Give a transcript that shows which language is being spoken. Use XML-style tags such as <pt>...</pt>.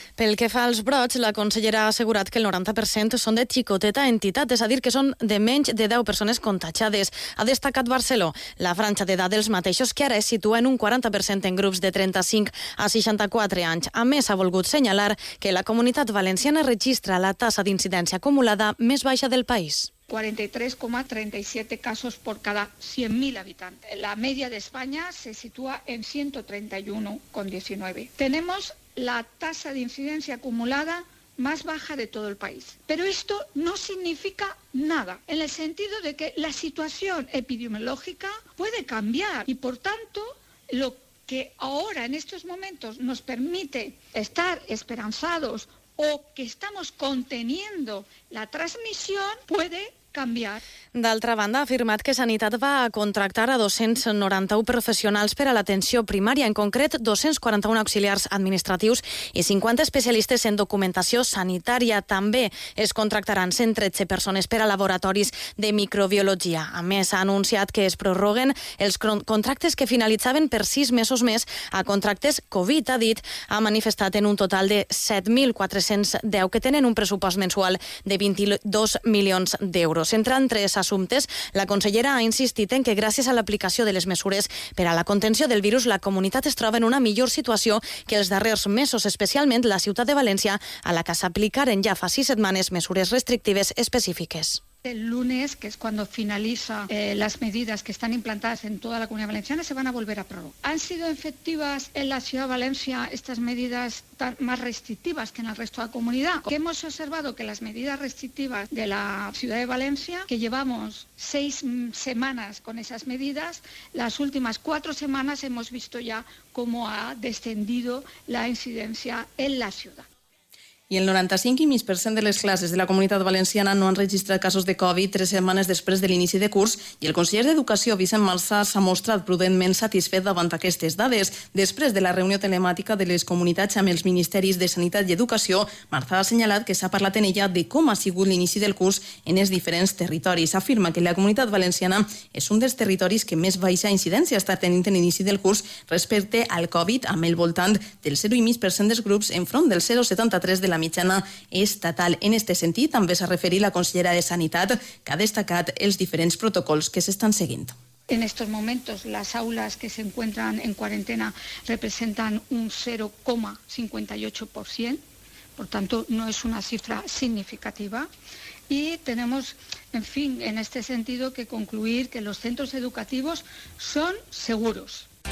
<ca>Pel que fa als brots, la consellera ha assegurat que el 90% són de xicoteta entitat, és a dir, que són de menys de 10 persones contagiades. Ha destacat Barceló la franja d'edat dels mateixos, que ara es situa en un 40% en grups de 35 a 64 anys. A més, ha volgut senyalar que la Comunitat Valenciana registra la tassa d'incidència acumulada més baixa del país.</ca> <es>43,37 casos por cada 100.000 habitantes. La media de España se sitúa en 131,19. Tenemos la tasa de incidencia acumulada más baja de todo el país. Pero esto no significa nada, en el sentido de que la situación epidemiológica puede cambiar y, por tanto, lo que ahora en estos momentos nos permite estar esperanzados o que estamos conteniendo la transmisión puede cambiar.</es> <ca>D'altra banda, ha afirmat que Sanitat va contractar a 291 professionals per a l'atenció primària, en concret 241 auxiliars administratius i 50 especialistes en documentació sanitària. També es contractaran 113 persones per a laboratoris de microbiologia. A més, ha anunciat que es prorroguen els contractes que finalitzaven per 6 mesos més a contractes Covid, ha dit, ha manifestat en un total de 7.410 que tenen un pressupost mensual de 22 milions d'euros. Entre tres assumptes, la consellera ha insistit en que gràcies a l'aplicació de les mesures per a la contenció del virus, la comunitat es troba en una millor situació que els darrers mesos, especialment la ciutat de València, a la que s'aplicaren ja fa 6 setmanes mesures restrictives específiques.</ca> <es>El lunes, que es cuando finaliza las medidas que están implantadas en toda la Comunidad Valenciana, se van a volver a prorrogar. ¿Han sido efectivas en la Ciudad de Valencia estas medidas más restrictivas que en el resto de la comunidad? Que hemos observado que las medidas restrictivas de la Ciudad de Valencia, que llevamos 6 semanas con esas medidas, las últimas 4 semanas hemos visto ya cómo ha descendido la incidencia en la ciudad.</es> <ca>I el 95,5% de les classes de la Comunitat Valenciana no han registrat casos de Covid 3 setmanes després de l'inici de curs i el conseller d'Educació, Vicent Marçà, s'ha mostrat prudentment satisfet davant aquestes dades. Després de la reunió telemàtica de les comunitats amb els ministeris de Sanitat i Educació, Marçà ha assenyalat que s'ha parlat en ella de com ha sigut l'inici del curs en els diferents territoris. Afirma que la Comunitat Valenciana és un dels territoris que més baixa incidència està tenint en l'inici del curs respecte al Covid, amb el voltant del 0,5% dels grups enfront del 0,73% de la mitjana estatal. En este sentit, també s'ha referit la consellera de Sanitat, que ha destacat els diferents protocols que s'estan seguint.</ca> <es>En estos momentos, las aulas que se encuentran en cuarentena representan un 0,58%, por tanto, no es una cifra significativa. Y tenemos, en fin, en este sentido, que concluir que los centros educativos son seguros.</es>